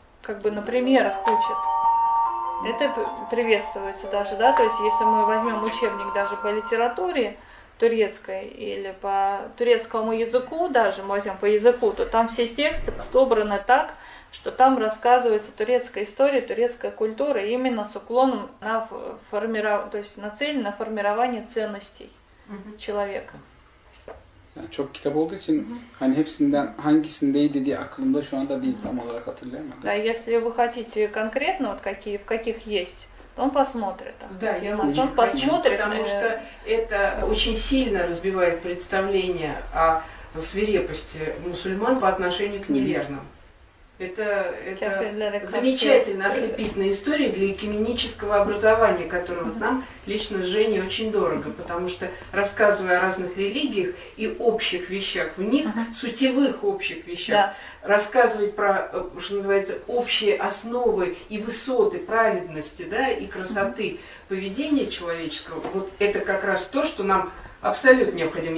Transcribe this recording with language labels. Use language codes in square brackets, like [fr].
[ru] как бы на примерах учат. Это приветствуется даже, да, то есть если мы возьмем учебник даже по литературе турецкой или по турецкому языку даже, мы возьмем по языку, то там все тексты собраны так, что там рассказывается турецкая история, турецкая культура именно с уклоном на то есть нацелен на формирование ценностей человека. [tr] Çok kitap olduğu için hani hepsinden hangisindeydi diye aklımda şu anda değil tam olarak hatırlayamadım. [ru] Да, если вы хотите конкретно вот какие в каких есть, он посмотрит. Да, я могу. Он посмотрит, потому что это очень сильно разбивает представление о свирепости мусульман по отношению к неверным. Это замечательная ослепительная история для экуменического образования, которое вот нам лично с Женей очень дорого, потому что рассказывая о разных религиях и общих вещах в них, сутевых общих вещах, рассказывать про, что называется, общие основы и высоты праведности, да, и красоты поведения человеческого, вот это как раз то, что нам абсолютно необходимо.